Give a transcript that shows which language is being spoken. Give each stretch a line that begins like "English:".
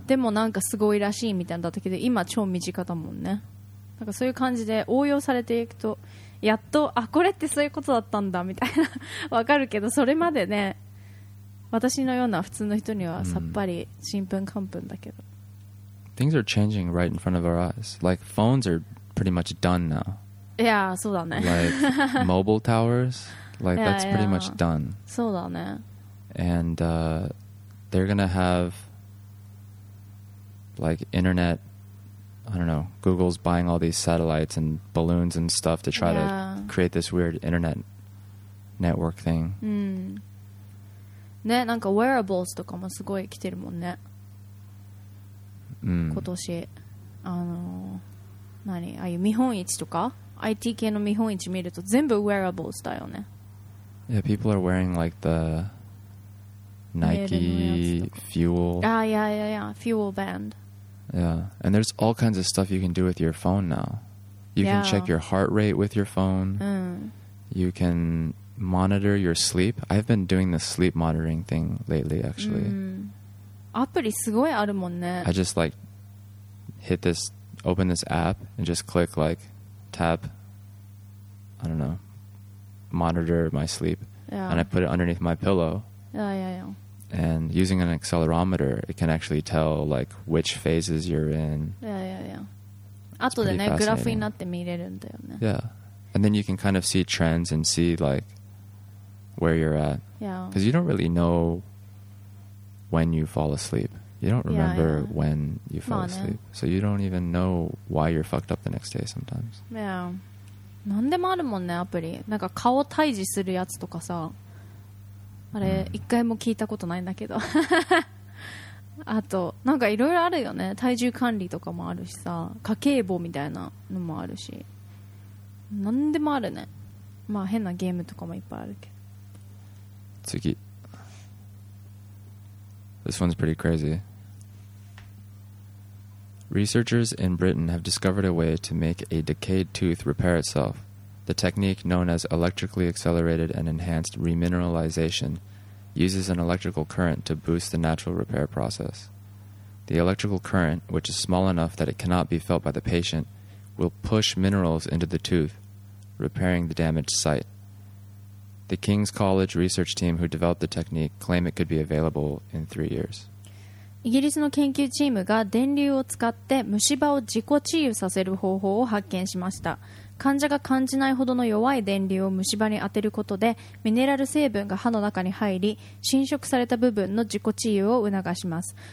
Japanese: でもなんかすごいらしいみたいなだったけど今超身近だもんね。なんかそういう感じで応用されていくとやっとあこれってそういうことだったんだみたいなわかるけどそれまでね私のような普通の人にはさっぱりちんぷんかんぷんだけど、mm.
English: Things are changing right in front of our eyes. Like phones are pretty much done now.
Japanese: Yeah, そうだね。
English: Like mobile towers. Like yeah, that's pretty yeah. much done.
Japanese: そうだね。
English: And、they're gonna have like internet. I don't know. Google's buying all these satellites and balloons and stuff to try、 yeah. to create this weird internet network thing.
Japanese: Hmm. ね、なんか wearables とかもすごい来てるもんね、うん、今年何ああいう見本市とか IT 系の見本市見ると全部 wearables だよね。
English: Yeah, people are wearing like the Nike Fuel Fuel Band. Yeah, and there's all kinds of stuff you can do with your phone now. You、 yeah. can check your heart rate with your phone、
Japanese: うん、
English: You canmonitor your sleep. I've been doing the sleep monitoring thing lately, actually.、
Japanese: うん、アプリすごいあるもんね。
English: I just like hit this, open this app and just click like tap, I don't know, monitor my sleep. Yeah. And I put it underneath my pillow. Yeah, yeah, yeah. And using an accelerometer, it can actually tell like which phases you're in. Yeah, yeah, yeah. It's pretty fascinating. Yeah. And then you can kind of see trends and see like where you're at. Yeah. Because you don't really know when you fall asleep. You don't remember yeah, yeah. when you fall まあね.Asleep. So you don't even know why you're fucked up the next day sometimes. Yeah.
Japanese: 何でもあるもんね、アプリ。なんか顔退治するやつとかさ。あれ、一回も聞いたことないんだけど。あと、なんかいろいろあるよね。体重管理とかもあるしさ。家計簿みたいなのもあるし。何でもあるね。まあ変なゲームとかもいっぱいあるけど。次。
English: This one's pretty crazy. Researchers in Britain have discovered a way to make a decayed tooth repair itself. The technique, known as electrically accelerated and enhanced remineralization, uses an electrical current to boost the natural repair process. The electrical current, which is small enough that it cannot be felt by the patient, will push minerals into the tooth, repairing the damaged site. The King's College research team who developed the technique claim it could be available in 3 years.
Japanese: イギリスの研究チームが電流を使って虫歯を自己治癒させる方法を発見しました。患者が感じないほどの弱い電流を虫歯に当てることでミネラル成分が歯の中に入り侵食された部分の自己治癒を促します。